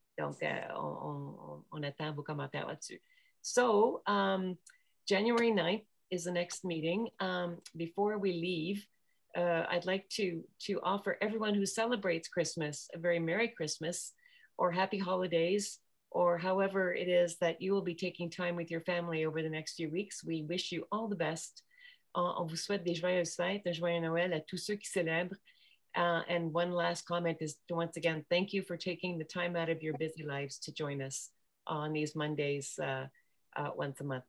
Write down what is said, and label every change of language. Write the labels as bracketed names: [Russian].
[French] Donc, on attend vos commentaires là-dessus. [English] So, January 9th is the next meeting. Before we leave, I'd like to offer everyone who celebrates Christmas a very Merry Christmas or Happy Holidays, or however it is that you will be taking time with your family over the next few weeks. We wish you all the best. [French] On vous souhaite des joyeuses fêtes, un joyeux Noël à tous ceux qui célèbrent. [English] And one last comment is to once again, thank you for taking the time out of your busy lives to join us on these Mondays once a month.